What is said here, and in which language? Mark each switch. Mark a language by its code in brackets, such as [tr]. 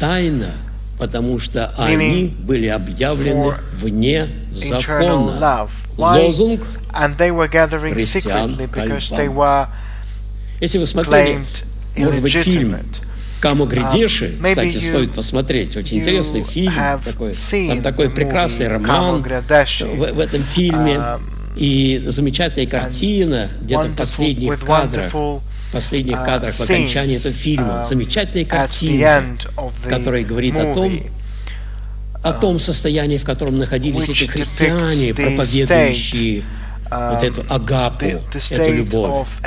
[ru] тайно, потому что они были объявлены вне закона. Лозунг [en] and they were gathering secretly because they were claimed illegitimate. [ru] Кому грядеши, кстати, стоит посмотреть. Очень интересный фильм такой. Там такой прекрасный роман в этом фильме. И замечательная картина, где-то в последних кадрах. Последних кадрах в окончании этого фильма. Замечательная картина, которая говорит о том состоянии, в котором находились эти христиане, проповедующие вот эту агапу, эту любовь.